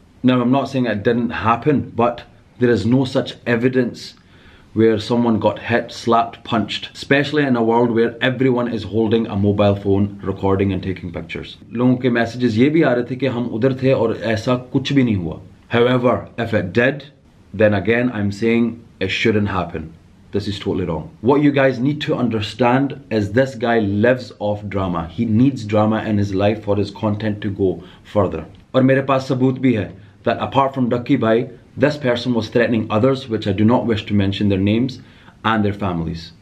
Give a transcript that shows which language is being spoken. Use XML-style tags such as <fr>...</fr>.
<en>Now, I'm not saying it didn't happen, but there is no such evidence where someone got hit, slapped, punched. Especially in a world where everyone is holding a mobile phone, recording and taking pictures.</en> <ur>لوگوں کے messages یہ بھی آ رہے تھے کہ ہم اُدھر تھے اور ایسا کچھ بھی نہیں ہوا۔</ur> <en>However, if it did, then again, I'm saying it shouldn't happen. This is totally wrong. What you guys need to understand is this guy lives off drama. He needs drama in his life for his content to go further.</en> <ur>اور میرے پاس ثبوت بھی ہے</ur> <en>that apart from Dakki Bhai, this person was threatening others, which I do not wish to mention their names, and their families.</en>